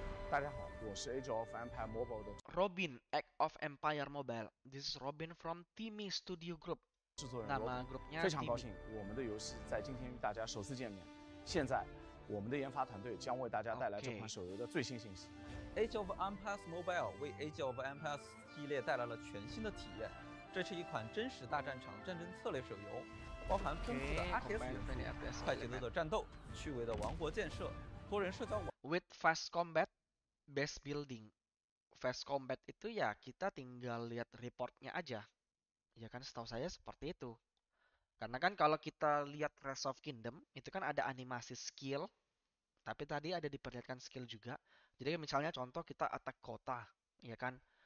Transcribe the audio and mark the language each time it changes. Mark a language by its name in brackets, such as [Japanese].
[Chinese] 大家好，我是 Age of Empire Mobile 的 [English] Robin, Age of Empire Mobile. This is Robin from Timmy Studio Group. [Chinese] 制作人罗宾，nama [Indonesian] grupnya Timmy. [Chinese] 非常高兴，我们的游戏在今天与大家首次见面。现在，我们的研发团队将为大家带来这款手游的最新信息。 [English] Okay. [Chinese] Age of Empires Mobile 为 Age of Empires 系列带来了全新的体验。这是一款真实大战场战争策略手游，包含丰富的RTS元素、快节奏的战斗、趣味的王国建设、多人社交网。 [English] With fast combat, base building. [Indonesian] Fast combat itu ya kita tinggal lihat reportnya aja. Ya kan, setahu saya seperti itu. Karena kan kalau kita lihat Rise of Kingdom, itu kan ada animasi skill. Tapi tadi ada diperlihatkan skill juga. Jadi misalnya contoh kita attack kota, ya kan?